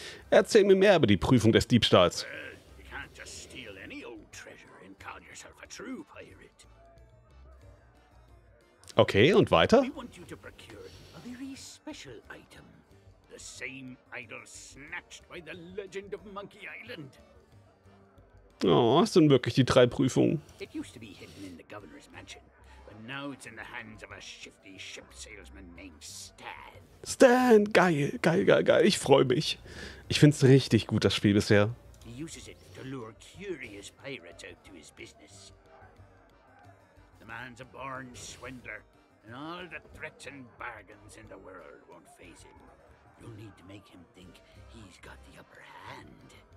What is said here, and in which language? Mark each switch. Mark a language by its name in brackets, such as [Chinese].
[German] Erzähl mir mehr über die Prüfung des Diebstahls. [English] You can't just steal any old treasure and call yourself a true pirate. [German] Okay, und weiter? [English] We want you to procure a very special item. The same idol snatched by the legend of Monkey Island. [German] Oh, was sind wirklich die drei Prüfungen? [English] It used to be hidden in the governor's mansion, but now it's in the hands of a shifty ship salesman named Stan. [German] Stan, geil. Ich freue mich. Ich find's richtig gut, das Spiel bisher. [English] He uses it to lure curious pirates out to his business. The man's a born swindler, and all the threats and bargains in the world won't faze him. You'll need to make him think he's got the upper hand.